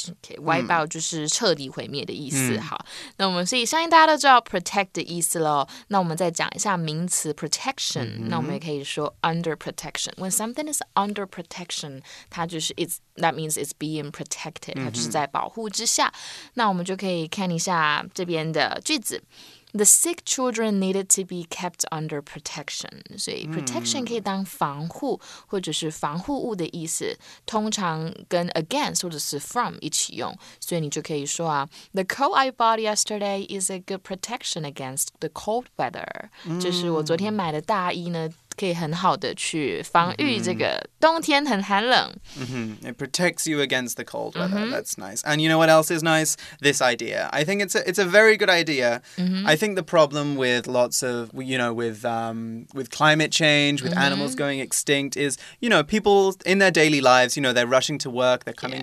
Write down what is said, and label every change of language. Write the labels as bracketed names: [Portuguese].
[English] Okay, wipe、mm. out [Chinese] 就是彻底毁灭的意思、mm. 好那我们所以相信大家都知道 protect 的意思了那我们再讲一下名词 protection、 mm-hmm. 那我们也可以说 [English] under protection. When something is under protection, [Chinese] 它就是 [English] it's,That means it's being protected.、 Mm-hmm. [Chinese] 它就是在保护之下。那我们就可以看一下这边的句子。 [English] The sick children needed to be kept under protection. [Chinese] 所以 protection、mm-hmm. 可以当防护或者是防护物的意思。通常跟 against 或者是 from 一起用。所以你就可以说啊 [English] The coat I bought yesterday is a good protection against the cold weather.、 Mm-hmm. [Chinese] 就是我昨天买的大衣呢可以很好的去防御这个冬天很寒冷。 Mm-hmm. [English] It protects you against the cold weather.、Mm-hmm. That's nice. And you know what else is nice? This idea. I think it's a very good idea.、 Mm-hmm. I think the problem with lots of, you know, with climate change, with、mm-hmm. animals going extinct is, you know, people in their daily lives, you know, they're rushing to work, they're coming、